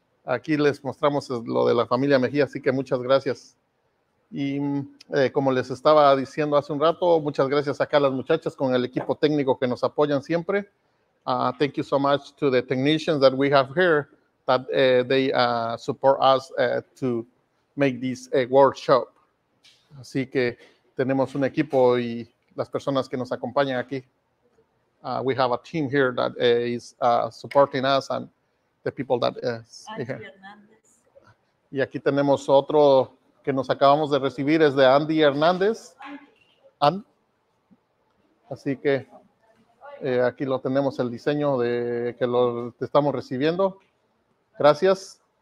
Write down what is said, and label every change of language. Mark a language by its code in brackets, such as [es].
[es] Aquí les mostramos lo de la familia Mejía, así que muchas gracias. Y como les estaba diciendo hace un rato, muchas gracias acá a las muchachas con el equipo técnico que nos apoyan siempre. [en] Thank you so much to the technicians that we have here that they support us to make this workshop. [es] Así que tenemos un equipo y las personas que nos acompañan aquí. [en] We have a team here that is supporting us and the people that is here. [es] Y aquí tenemos otro que nos acabamos de recibir, es de Andy Hernández. Así que aquí lo tenemos el diseño de que lo estamos recibiendo. Gracias.